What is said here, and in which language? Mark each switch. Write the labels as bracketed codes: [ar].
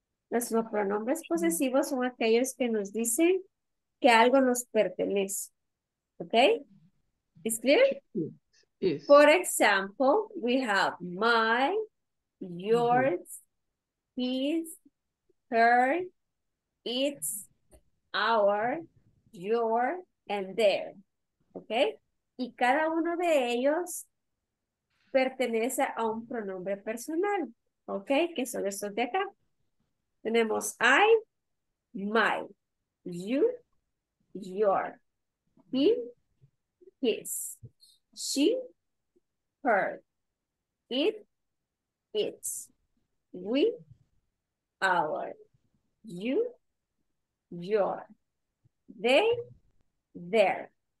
[es] Los pronombres posesivos son aquellos que nos dicen que algo nos pertenece, [en] okay? Is clear? Yes. For example, we have my, yours, his, her, its, our, your, and their, okay? [es] Y cada uno de ellos pertenece a un pronombre personal, ¿ok? Que son estos de acá. Tenemos [en] I, my, you, your, he, his, she, her, it, its, we, our, you, your, they, their.